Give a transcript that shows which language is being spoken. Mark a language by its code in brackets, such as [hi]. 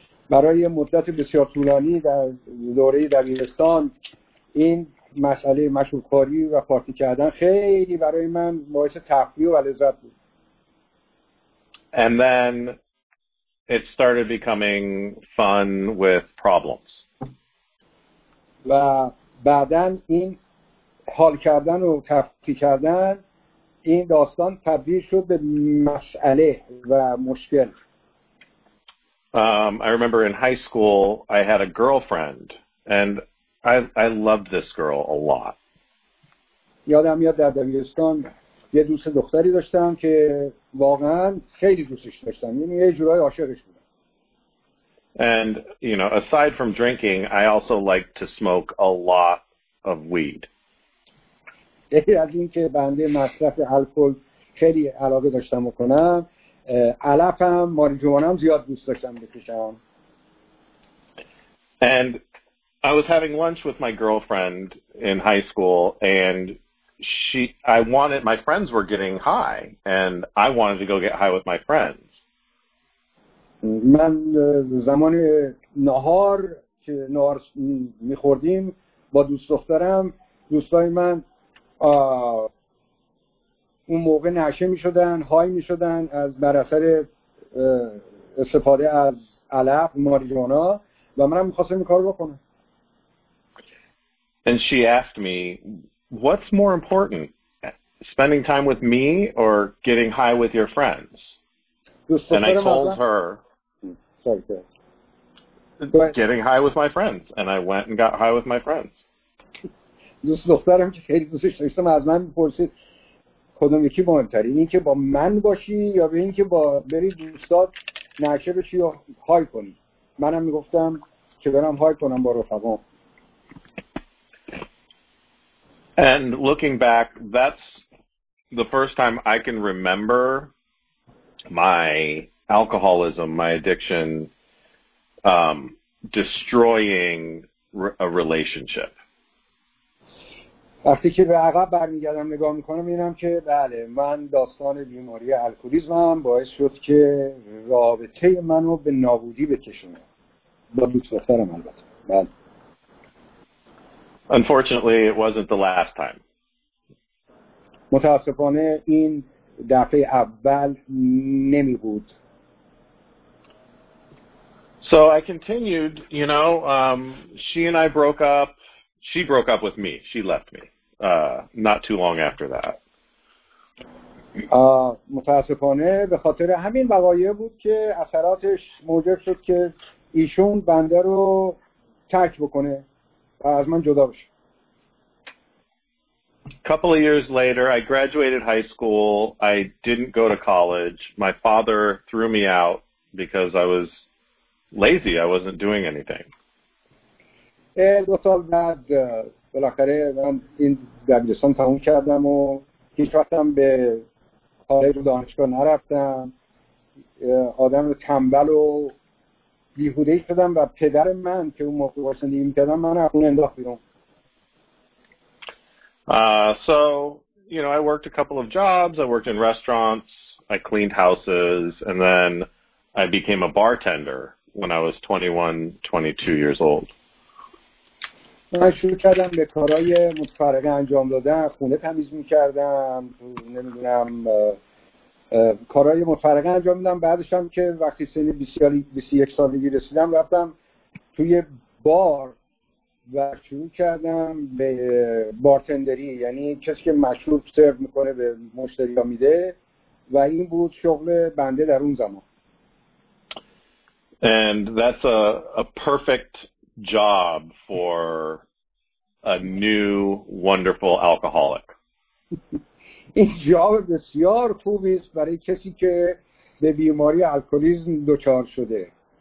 [fa] برای مدت بسیار طولانی در دوره دبیرستان این مسئله مشروبخوری و پارتی کردن خیلی برای من باعث تفریح و لذت بود. [en] And then it started becoming fun with problems. [fa] و بعدن این حال کردن و تفریح کردن این داستان تبدیل شد به مسئله و مشکل. [en] I remember in high school I had a girlfriend and I loved this girl a lot. [fa] یادم میاد در دبیرستان یه دوست دختری داشتم که واقعاً خیلی دوستش داشتم. یعنی یه جورای عاشقش بودم. [en] And you know, aside from drinking, I also liked to smoke a lot of weed. [fa] از اینکه بنده مصرف الکل خیلی علاقه داشتم بکنم، علفم، ماریجوانم زیاد دوست داشتم بکشم. [en] And I was having lunch with my girlfriend in high school and my friends were getting high and I wanted to go get high with my friends. [fa] من زمان نهار که نهار می‌خوردیم با دوست دخترم، دوستای من اون موقع نشه می‌شدن، های می‌شدن از بر اثر استفاده از علف، ماریجوانا و منم می‌خواستم این کارو بکنم. [en] And she asked me, what's more important, spending time with me or getting high with your friends? And I told her, getting high with my friends. And I went and got high with my friends. [fa] دوست دخترم که خیلی دوستش داشتم از من می‌پرسید کدوم یکی مهم‌تره، این که با من باشی یا به این که با بری دوستات نشه بشی یا های کنی. منم می‌گفتم که برم های کنم با رفقام. [en] And looking back, that's the first time I can remember my alcoholism, my addiction, destroying a relationship. [fa] وقتی که به عقب برمیگردم نگاه میکنم میبینم که بله من داستان بیماری الکلیزمم باعث شد که رابطه منو به نابودی بکشونه با دوست دخترم البته بله [en] Unfortunately it wasn't the last time [fa] متاسفانه این دفعه اول نمی بود [en] So I continued you know she and I broke up she broke up with me she left me not too long after that. [fa] متاسفانه به خاطر همین وقایع بود که اثراتش موجب شد که ایشون بنده رو ترک بکنه و از من جدا بشه. [en] Couple of years later, I graduated high school. I didn't go to college. My father threw me out because I was lazy. I wasn't doing anything. [fa] دو سال بعد بالاخره من این دبیرستان تموم کردم و هیچ وقتم به کالج و دانشگاه نرفتم آدم تنبل و بیهوده‌ای شدم و پدر من که اون موقع واسه نیم کردم من رو خونه انداخت بیرون [en] So, you know, I worked a couple of jobs. I worked in restaurants. I cleaned houses. And then I became a bartender when I was 21, 22 years old. [fa] من شروع کردم به کارهای متفرقه انجام دادن خونه تمیز میکردم نمیدونم کارهای متفرقه انجام دادم بعدش هم که وقتی سن 21 سالگی رسیدم رفتم توی بار و شروع کردم به بارتندری یعنی کسی که مشروب سرو میکنه به مشتری ها میده و این بود شغل بنده در اون زمان [en] And that's a perfect job for a new wonderful alcoholic. [fa] این جواب بسیار خوبی است برای کسی که به بیماری الکلیسم دچار شده.